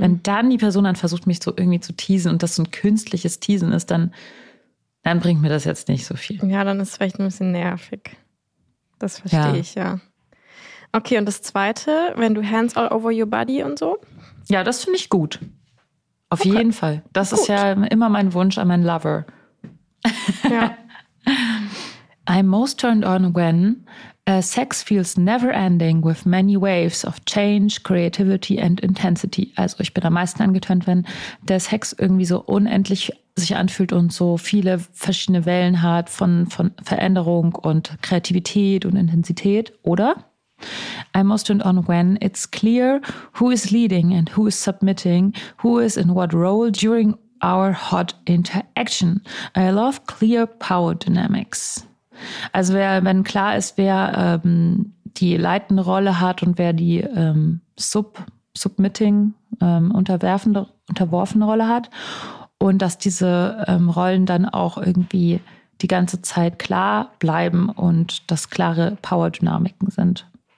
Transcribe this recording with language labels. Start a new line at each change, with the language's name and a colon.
German: Wenn dann die Person dann versucht, mich so irgendwie zu teasen und das so ein künstliches Teasen ist, dann bringt mir das jetzt nicht so viel. Ja, dann ist es vielleicht ein bisschen nervig. Das verstehe ich, ja. Okay, und das Zweite, wenn du
English: hands all over your body
German: und so? Ja, das finde ich gut. Auf jeden Fall. Das ist ja immer mein Wunsch an meinen Lover. Ja.
English: I'm most turned on when sex feels never ending with many waves of change, creativity and intensity.
German: Also ich bin am meisten angetönt, wenn der Sex irgendwie so unendlich sich anfühlt und so viele verschiedene Wellen hat von Veränderung und Kreativität und Intensität, oder?
English: I'm most turned on when it's clear who is leading and who is submitting, who is in what role during our hot interaction. I love clear power dynamics.
German: Also wenn klar ist, wer die leitende Rolle hat und wer die unterworfene Rolle hat und dass diese Rollen dann auch irgendwie die ganze Zeit klar bleiben und dass klare Power-Dynamiken sind.